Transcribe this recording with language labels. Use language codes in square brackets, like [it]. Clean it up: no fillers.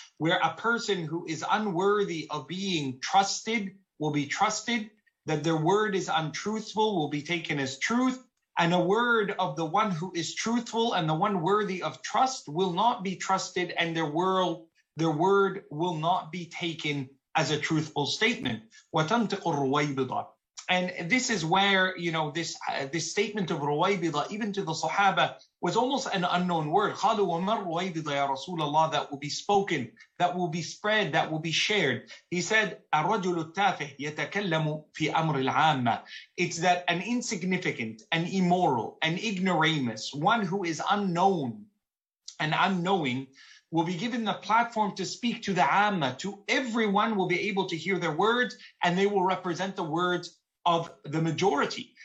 [en] where a person who is unworthy of being trusted will be trusted, that their word is untruthful will be taken as truth, and a word of the one who is truthful and the one worthy of trust will not be trusted, and their word will not be taken as a truthful statement. [ar] وَتَنْتِقُ الرُّوَيْبِضَ. [en] And this is where, you know, this statement of رُوَيْبِضَ, even to the Sahaba, was almost an unknown word. [ar] قَالُوا وَمَا الرُّوَيْبِضَ يَا رَسُولَ اللَّهِ, [en] that will be spoken, that will be spread, that will be shared. He said, [ar] أَرَجُلُ التَّافِهِ يَتَكَلَّمُ فِي أَمْرِ الْعَامَّةِ. [en] It's that an insignificant, an immoral, an ignoramus, one who is unknown and unknowing, will be given the platform to speak to the Amma, to everyone will be able to hear their words, and they will represent the words of the majority.